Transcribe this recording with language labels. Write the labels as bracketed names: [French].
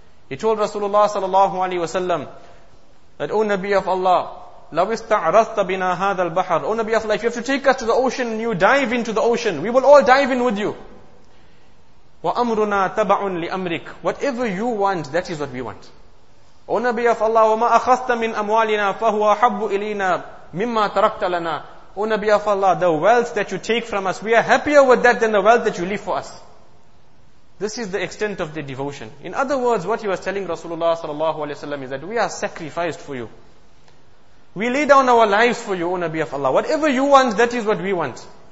[English] He told Rasulullah sallallahu alaihi wasallam, that, O Nabi of Allah, [Arabic] لَوِ اسْتَعْرَثْتَ بِنَا هَذَا الْبَحَرِ. [English] O Nabi of Allah, if you have to take us to the ocean, and you dive into the ocean, we will all dive in with you. [Arabic] وَأَمْرُنَا تَبَعٌ لِأَمْرِكَ. [English] Whatever you want, that is what we want. O Nabi of Allah, [Arabic] وَمَا أَخَذْتَ مِنْ أَمْوَالِنَا فَهُوَ حَبُّ إِلَيْنَا مِمَّا تَرَكْتَ لَنَا. [English] O Nabi of Allah, the wealth that you take from us, we are happier with that than the wealth that you leave for us. This is the extent of the devotion. In other words, what he was telling Rasulullah sallallahu alaihi wasallam is that we are sacrificed for you. We lay down our lives for you, O Nabi of Allah. Whatever you want, that is what we want.